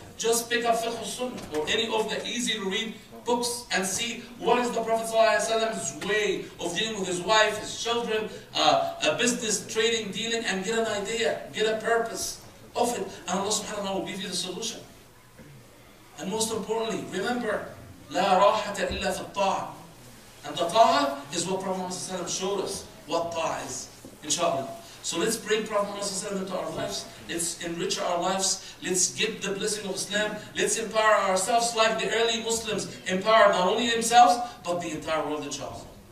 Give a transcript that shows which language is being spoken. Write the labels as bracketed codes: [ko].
[en] Just pick up Fiqh al-Sunnah or any of the easy to read books and see what is the Prophet ﷺ's way of dealing with his wife, his children, a business, trading, dealing, and get an idea, get a purpose of it, and Allah subhanAllah will give you the solution. And most importantly, remember, [ar] لا راحة إلا في الطاعة. [en] And the ta'a is what Prophet Muhammad showed us, what ta'a is, inshallah. So let's bring Prophet Muhammad into our lives, let's enrich our lives, let's get the blessing of Islam, let's empower ourselves like the early Muslims empowered not only themselves, but the entire world, inshallah.